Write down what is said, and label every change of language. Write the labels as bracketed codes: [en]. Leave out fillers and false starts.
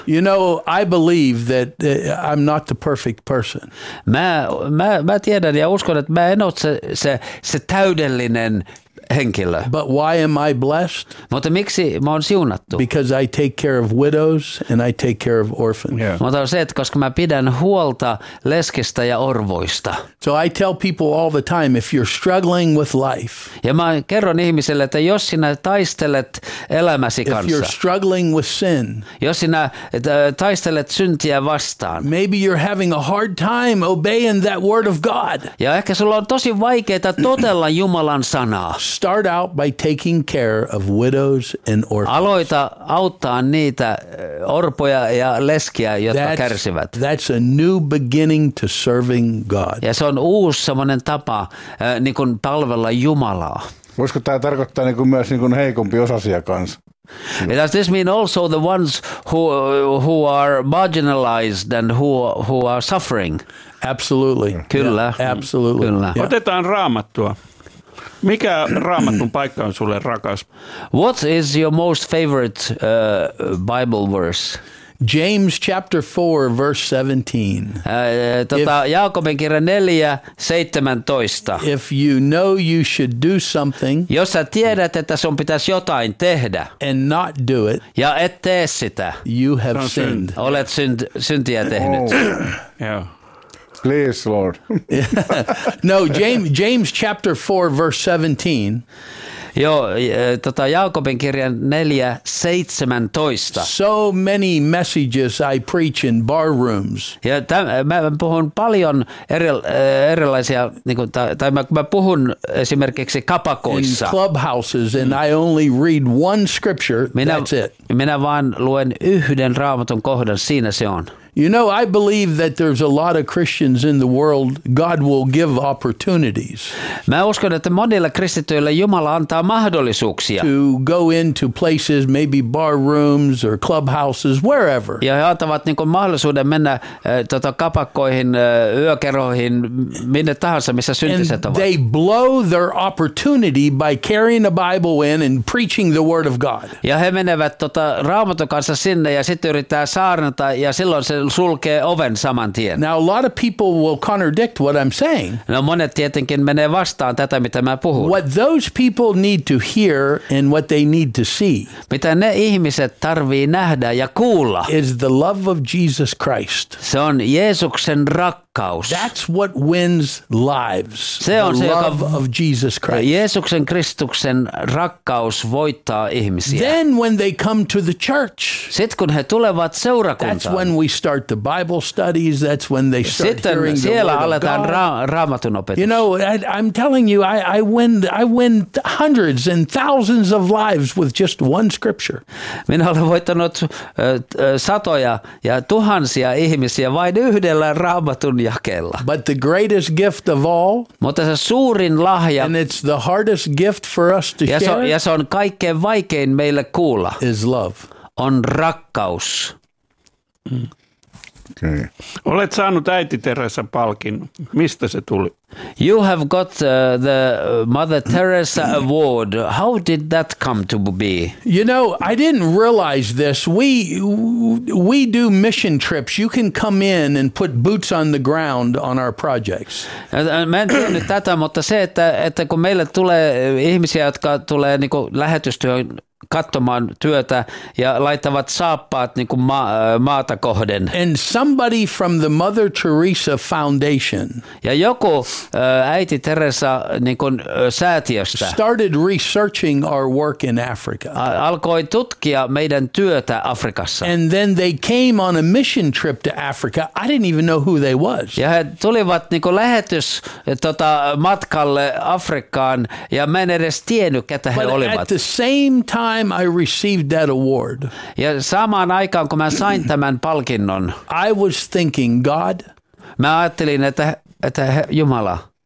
[en] You know, I believe that I'm not the perfect person. [fi] Mä tiedän ja uskon, että mä en ole se täydellinen henkilö. [en] But why am I blessed? [fi] Mutta miksi mä oon siunattu? [en] Because I take care of widows and I take care of orphans. Yeah. [fi] Mutta on se, että koska mä pidän huolta leskistä ja orvoista. [en] So I tell people all the time, if you're struggling with life. [fi] Ja mä kerron ihmiselle, että jos sinä taistelet elämäsi kanssa. [en] If you're struggling with sin. [fi] Jos sinä taistelet syntiä vastaan. [en] Maybe you're having a hard time obeying that word of God. [fi] Ja ehkä sulla on tosi vaikeaa totella Jumalan sanaa. [en] Start out by taking care of widows and orphans. [fi] Aloita auttaa niitä orpoja ja leskiä, jotka kärsivät. [en] That's a new beginning to serving God. [fi] Ja se on uusi semmoinen tapa niin kuin palvella Jumalaa. Voisiko tämä tarkoittaa niin kuin myös niin kuin heikompi osasia kanssa? [en] Does this mean also the ones who are marginalized and who are suffering? Absolutely. [fi] Kyllä. [en] Yeah, absolutely. [fi] Kyllä. [en] Yeah. [fi] Otetaan Raamattua. Mikä Raamatun paikka on sulle rakas? [en] What is your most favorite Bible verse? James chapter 4 verse 17. [fi] Jaakobin kirja 4:17. [en] If you know you should do something. [fi] Jos sä tiedät, että sun pitäisi jotain tehdä. [en] And not do it. [fi] Ja et tee sitä. [en] You have sinned. [fi] Olet syntiä tehnyt. [en] Yeah. Please, Lord. No, James chapter 4, verse 17. [fi] Joo, Jaakobin kirjan 4:17. [en] So many messages I preach in bar rooms. [fi] Ja mä puhun paljon erilaisia, niin kuin, tai mä puhun esimerkiksi kapakoissa. [en] In clubhouses, and I only read one scripture, that's it. [fi] Minä vaan luen yhden Raamatun kohdan, siinä se on. [en] You know, I believe that there's a lot of Christians in the world, God will give opportunities. [fi] Mä uskon, että monille kristityille Jumala antaa mahdollisuuksia. [en] To go into places, maybe bar rooms or clubhouses, wherever. [fi] Ja he antavat niin kuin mahdollisuuden mennä kapakkoihin, yökerhoihin, minne tahansa, missä syntiset ovat. [en] And they blow their opportunity by carrying a Bible in and preaching the word of God. [fi] Ja he menevät Raamatun kanssa sinne ja sitten yrittää saarnata ja silloin se sulkee oven saman tien. [en] Now a lot of people will contradict what I'm saying. [fi] No monet tietenkin menee vastaan tätä, mitä mä puhun. [en] What those people need to hear and what they need to see. [fi] Mitä ne ihmiset tarvii nähdä ja kuulla. [en] Is the love of Jesus Christ. [fi] Se on Jeesuksen rakkaus. rakkaus. [en] That's what wins lives. [fi] Se on [en] the [fi] se, [en] love [fi] joka, [en] of Jesus Christ. [fi] Jeesuksen Kristuksen rakkaus voittaa ihmisiä. [en] Then when they come to the church. [fi] Sit kun he tulevat seurakuntaan. [en] That's when we start the Bible studies. That's when they start [fi] sitten [en] hearing the word of God. [fi] Sitten siellä aletaan raamatun opetus. [en] You know, I'm telling you, I win hundreds and thousands of lives with just one scripture. [fi] Minä olen voittanut satoja ja tuhansia ihmisiä vain yhdellä raamatun jakeella. [en] But the greatest gift of all, [fi] mutta se suurin lahja, [en] and it's the hardest gift for us to [fi] ja [en] share, [fi] ja se on kaikkein vaikein meille kuulla, [en] is love. [fi] On rakkaus. [en] Okay. [fi] Olet saanut äiti Teresa -palkin. Mistä se tuli? [en] You have got the Mother Teresa Award. How did that come to be? You know, I didn't realize this. We do mission trips. You can come in and put boots on the ground on our projects. [fi] Mä en tiedä tätä, mutta se, että kun meille tulee ihmisiä, jotka tulee niinku lähetystyöhön katsomaan työtä ja laittavat saappaat niin kuin maata kohden. [en] And somebody from the Mother Teresa Foundation. [fi] Ja joku äiti Teresa niin kuin säätiöstä. [en] Started researching our work in Africa. [fi] Alkoi tutkia meidän työtä Afrikassa. [en] And then they came on a mission trip to Africa. I didn't even know who they was. [fi] Ja he tulivat niin kuin lähetys matkalle Afrikkaan ja mä en edes tiennyt ketä he olivat. [en] But at the same time I received that award. [fi] Ja samaan aikaan kun mä sain tämän palkinnon. [en] I was thinking, God. [fi] Mä ajattelin, että Jumala.